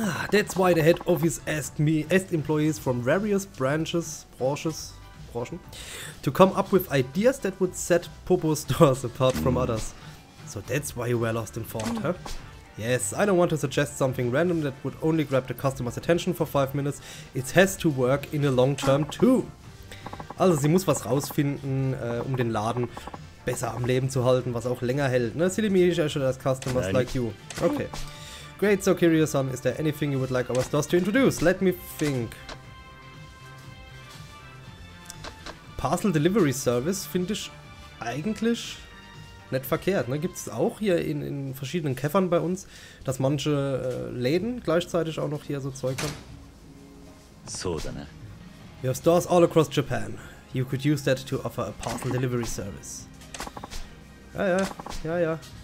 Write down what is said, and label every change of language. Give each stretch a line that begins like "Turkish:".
English: That's why the head office asked employees from various branches, to come up with ideas that would set Popo stores apart from others. So that's why you were lost and found, huh? Yes, I don't want to suggest something random that would only grab the customer's attention for 5 minutes. It has to work in the long term too.
German: Also sie muss was rausfinden, um den Laden besser am Leben zu halten, was auch länger hält. Ne?
English: Silly me, I should ask customers like you. Okay. Great, so curious on, is there anything you would like our stores to introduce? Let me think. Parcel Delivery Service
German: finde ich eigentlich nicht verkehrt. Ne? Gibt es auch hier in verschiedenen Käffern bei uns, dass manche Läden gleichzeitig auch noch hier so Zeug haben. So, dann.
English: We have stores all across Japan. You could use that to offer a parcel delivery service.
German: Ja.